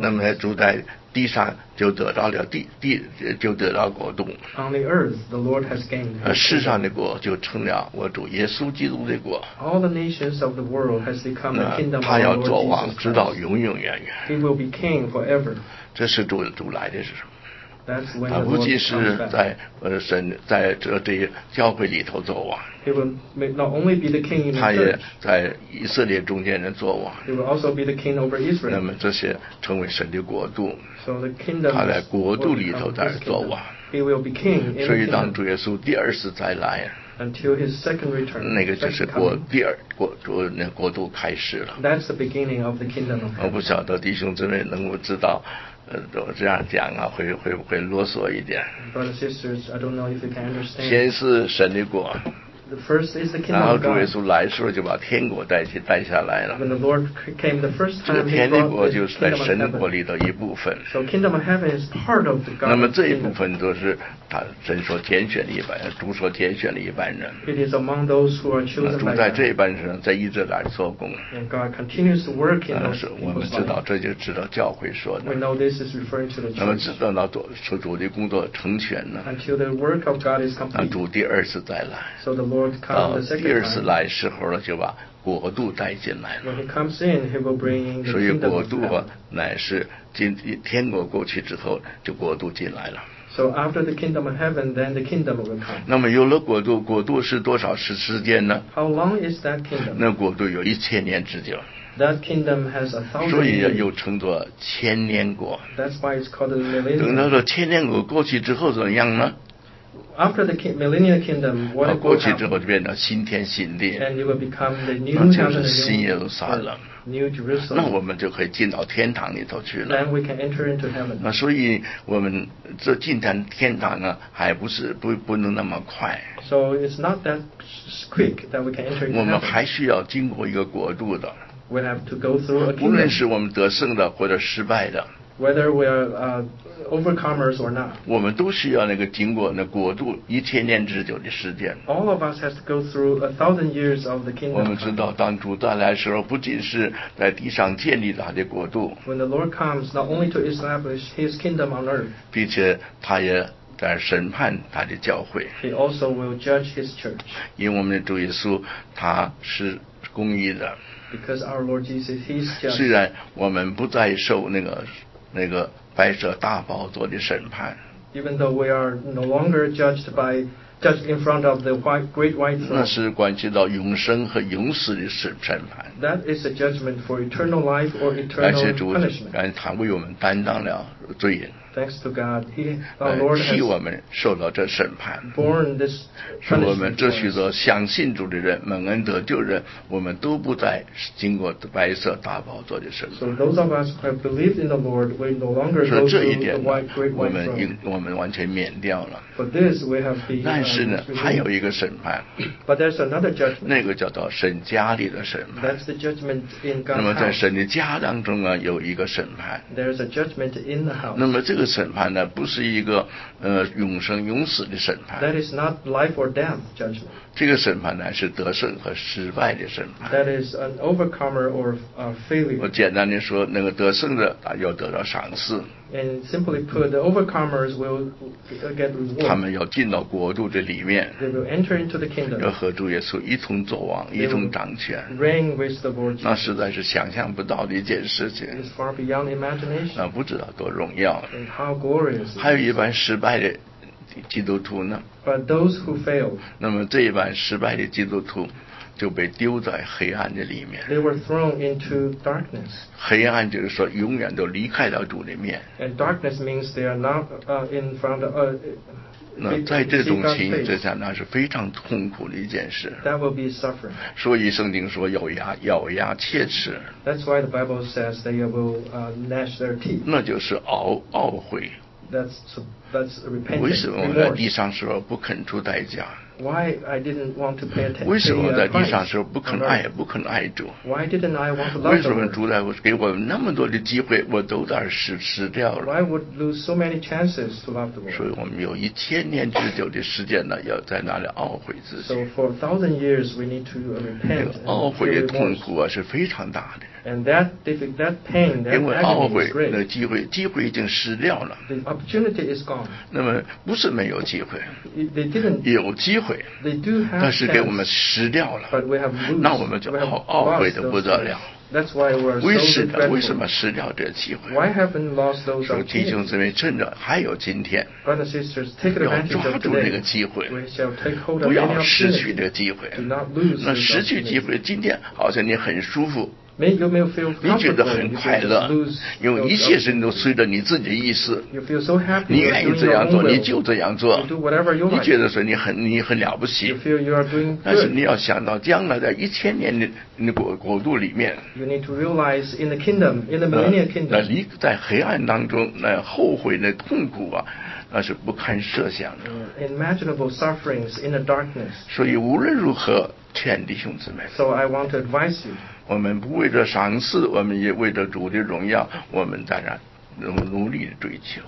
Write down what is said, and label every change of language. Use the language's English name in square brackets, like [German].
[Chinese] 那么主在地上就得到了就得到国度。 [English] On the earth, the Lord has gained. [Chinese] 世上的国就成了我主耶稣基督的国。 [English] All the nations of the world has become the kingdom of the Lord Jesus. [Chinese] 他要做王，直到永永远远。 [English] He will be king forever. [Chinese] 这是主来的时候。 [English] That's when [Chinese] 他不仅是在神在这教会里头作王，他也在以色列中间人作王。 [English] He will also be the king over Israel. [Chinese] 那么这些成为神的国度， [English] so、the kingdom [Chinese] 他在国度里头在作王。 [English] He will be king. [Chinese] 所以当主耶稣第二次再来。 [English] Until his second return, [Chinese] 那个就是国度开始了。 [English] That's the beginning of the kingdom of heaven. [Chinese] 我不晓得弟兄姊妹能够知道，我这样讲啊，会不会啰嗦一点 [English] ？Brothers, sisters, I don't know if you can understand. [Chinese] 先是神的国。 [English] The first is the kingdom of God. [Chinese] 然后主耶稣来的时候就把天国带下来了。 [English] When the Lord came the first time, [Chinese] 这个天国就是在神的国里的一部分。 [English] So kingdom of heaven is part of the God. [Chinese] 那么这一部分都是。他神所拣选的一般，主所拣选的一般人。 [English] It is among those who are chosen by God. [Chinese] 主在这一般人身上，在一直来做工。 [English] And God continues to work in those. [Chinese] 我们知道，这就知道教会说的。 [English] We know this is referring to the church. [Chinese] 那么知道那主的工作成全了。 [English] Until the work of God is complete. [Chinese] 主第二次再来。 [English] So the Lord comes the second time. [Chinese] 第二次来时候了，就把国度带进来了。 [English] When he comes in, he will bring in the kingdom. [Chinese] 所以国度乃是天国过去之后，就国度进来了。 [English] So after the kingdom of heaven, then the kingdom will come. [Chinese] 那么有了国度，国度是多少时间呢？ [English] How long is that kingdom? [Chinese] 那国度有一千年之久。 [English] That kingdom has a thousand years. [Chinese] 所以又称作千年国。 [English] That's why it's called the millennium. [Chinese] 等到说千年国过去之后怎么样呢？ [English] After the millennial kingdom, what will happen? [Chinese] 过去之后就变成新天新地。 [English] And it will become the new heaven. [Chinese] 那就是新耶路撒冷。 [English] New Jerusalem. [Chinese] 那我们就可以进到天堂里头去了。 [English] Then we can enter into heaven. [Chinese] 那所以我们这进谈天堂呢，还不是不能那么快。 [English] So it's not that quick that we can enter into heaven. [Chinese] 我们还需要经过一个国度的。 [English] We have to go through a kingdom. [Chinese] 无论是我们得胜的或者失败的。 [English] Whether we are overcomers or not, [Chinese] 我们都需要那个经过那国度一千年之久的时间。 [English] All of us has to go through a thousand years of the kingdom. [Chinese] 我们知道当主再来的时候，不仅是在地上建立他的国度。 [English] When the Lord comes, not only to establish His kingdom on earth, [Chinese] 并且他也在审判他的教会。 [English] He also will judge His church. [Chinese] 因为我们的主耶稣他是公义的。 [English] Because our Lord Jesus, He is just. [Chinese] 虽然我们不再受那个白色大宝座的审判。 [English] Even though we are no longer judged in front of the great white throne. [Chinese] 那是关系到永生和永死的审判。 [English] That is a judgment for eternal life or eternal punishment. [Chinese] 而且主他为我们担当了罪人。 [English] Thanks to God, our Lord has [Chinese] 替我们受到这审判。 [English] Born this punishment. [Chinese] 我们这许多相信主的人、蒙恩得救人，我们都不再经过白色大宝座的审判。 [English] So those of us who have believed in the Lord, we no longer go through the white great white throne. [Chinese] 我们完全免掉了。 [English] But this we have been. [Chinese] 但是呢，还有一个审判。 [English] But there's another judgment. [Chinese] 那个叫做神家里的审判。 [English] That's the judgment in God's house. [Chinese] 那么在神的家当中啊，有一个审判。 [English] There's a judgment in the house. [Chinese] 那么这个审判呢，不是一个永生永死的审判。 [English] That is not life or death judgment. [Chinese] 这个审判呢，是得胜和失败的审判。 [English] That is an overcomer or a failure. [Chinese] 我简单的说，那个得胜的要得到赏赐。 [English] And simply put, the overcomers will get reward. [Chinese] 他们要进到国度的里面。 [English] They will enter into the kingdom. [Chinese] 要和主耶稣一同作王，一同掌权。 [English] Reign with the Lord. [Chinese] 那实在是想象不到的一件事情。 [English] It's far beyond imagination. [Chinese] 那不知道多荣耀。 [English] And how glorious. [Chinese] 还有一般失败的基督徒呢。 [English] But those who fail. [Chinese] 那么这一般失败的基督徒就被丢在黑暗的里面。 [English] They were thrown into darkness. [Chinese] 黑暗就是说永远都离开了主的面。 [English] And darkness means they are not in front of. [Chinese] 那在这种情形之下，那是非常痛苦的一件事。 [English] That will be suffering. [Chinese] 所以圣经说咬牙切齿。 [English] That's why the Bible says they will gnash their teeth. [Chinese] 那就是懊悔。 [English] That's repentance. [Chinese] 为什么我在地上时候不肯出代价？ [English] Why I didn't want to pay attention? [Chinese] 为什么在地上时候不肯爱，不肯爱主？ [English] Why didn't I want to love? [Chinese] 为什么主在给我那么多的机会，我都在失掉了？ [English] Why would lose so many chances to love the Lord? [Chinese] 所以我们有一千年之久的时间呢，要在那里懊悔自己。 [English] So for a thousand years, we need to repent. [Chinese] 懊悔的痛苦啊，是非常大的。 [English] And that pain, that agony is great. [Chinese] 因为懊悔，那机会已经失掉了。 [English] The opportunity is gone. [Chinese] 那么不是没有机会。 [English] They didn't. [Chinese] 有机会。 [English] They do have [Chinese] 但是给我们失掉了 [English] but we have lost, [Chinese] 那我们就 [English] we have [Chinese] 懊悔的不得了 [English] That's why we are so regretful. [Chinese] 为什么失掉这机会 [English] Why haven't lost those [Chinese] 说弟兄姊妹趁着还有今天 [English] Brothers and sisters, take advantage of today. [Chinese] 要抓住这个机会 [English] We shall take hold of [Chinese] 不要失去这个机会 [English] Do not lose [Chinese] 那失去机会今天好像你很舒服 [English] You may feel comfortable. [Chinese] 你觉得很快乐，因为一切事都随着你自己的意思。 [English] You feel so happy. [Chinese] 你愿意这样做，你就这样做。 [English] You do whatever you like. [Chinese] 你觉得说你很了不起。 [English] You feel you are doing good. [Chinese] 但是你要想到将来在一千年的国度里面。 [English] You need to realize in the kingdom, in the millennial kingdom. [Chinese] 那离在黑暗当中，那后悔那痛苦啊。那是不堪设想的。 [English] Imaginable sufferings in the darkness. [Chinese] 所以无论如何劝弟兄姊妹。 [English] So I want to advise you. [Chinese] 我们不为着赏赐，我们也为着主的荣耀，我们当然努力的追求。